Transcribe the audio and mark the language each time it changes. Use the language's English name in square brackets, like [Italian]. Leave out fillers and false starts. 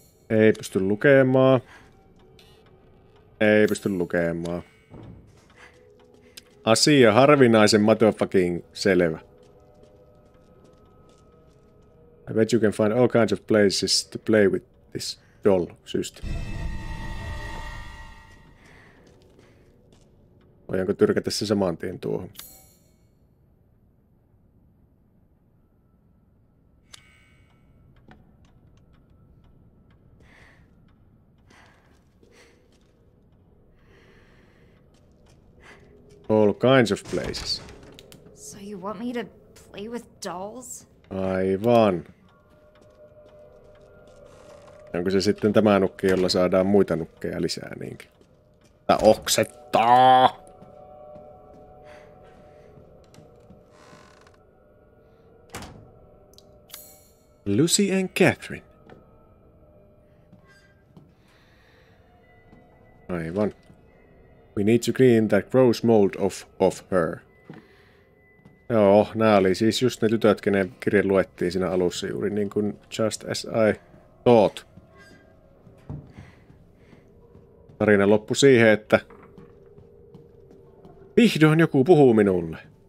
[Finnish] Ei pysty lukemaan. Ei pysty lukemaan. Asia harvinaisen motherfucking selvä. [English] I bet you can find all kinds of places to play with this doll system. [Finnish] Voinko tyrkätä se saman tien tuohon? [English] All kinds of places. So you want me to play with dolls? [Finnish] Aivan. Onko se sitten tämä nukke, jolla saadaan muita nukkeja lisää niinkin? Tää oksettaa! [English] Lucy and Catherine. [Finnish] Aivan. [English] We need to clean that gross mold off of her. [Finnish] Joo, nää oli siis just ne tytöt, kenen kirje luettiin siinä alussa juuri niin kuin [English] just as I thought. [Finnish] Tarina loppui siihen, että vihdoin joku puhuu minulle.